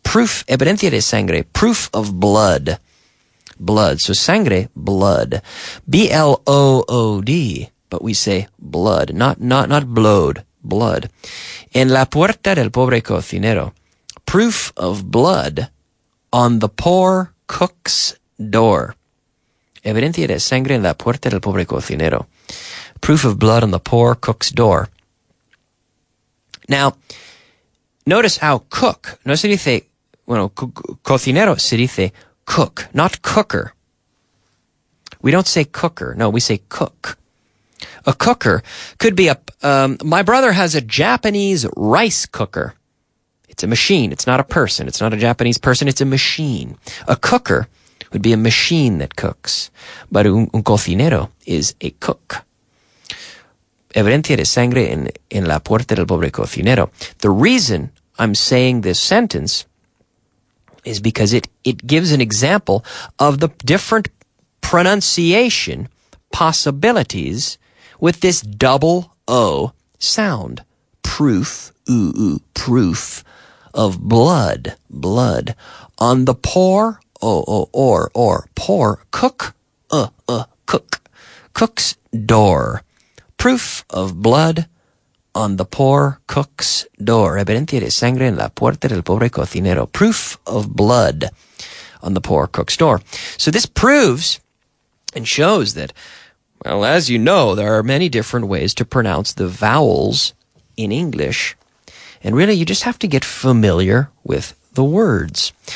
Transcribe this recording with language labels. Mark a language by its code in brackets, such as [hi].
[en] Proof, [es] evidencia de sangre, [en] proof of blood. Blood, so sangre, blood. B-L-O-O-D, but we say blood, not blood. Blood. [es] En la puerta del pobre cocinero. [en] Proof of blood on the poor cook's door. [es] Evidencia de sangre en la puerta del pobre cocinero. [en] Proof of blood on the poor cook's door. Now, notice how cook. [es] No se dice, Bueno, cocinero se dice [en] cook, not cooker. We don't say cooker. No, we say cook. A cooker could be a... my brother has a Japanese rice cooker. It's a machine. It's not a person. It's not a Japanese person. It's a machine. A cooker would be a machine that cooks. But [es] un cocinero [en] is a cook. [es] Evidencia de sangre en la puerta del pobre cocinero. [en] The reason I'm saying this sentence is because it gives an example of the different pronunciation possibilities with this double O sound. Proof, ooh, ooh, proof of blood, blood on the poor, or poor cook, cook, cook's door. Proof of blood on the poor cook's door. [es] Evidencia de sangre en la puerta del pobre cocinero. [en] Proof of blood on the poor cook's door. So this proves and shows that, well, as you know, there are many different ways to pronounce the vowels in English. And really, you just have to get familiar with the words.